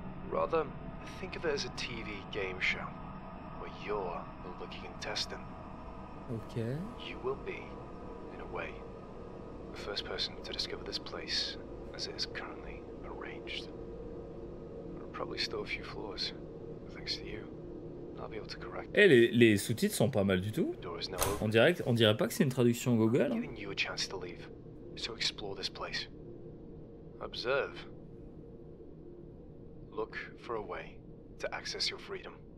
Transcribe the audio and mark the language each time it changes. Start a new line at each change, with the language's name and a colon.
English: Rather, think of it as a TV game show where you're the lucky contestant. Okay. You will be. Way, the first person to discover this place as it is currently arranged. There are probably still a few flaws, thanks to you. I'll be able to correct.
French: Hey, les sous-titres sont pas mal du tout. On dirait pas que c'est une traduction Google.
English: I'm giving you a chance to leave, so explore this place. Observe. Look for a way to access your freedom.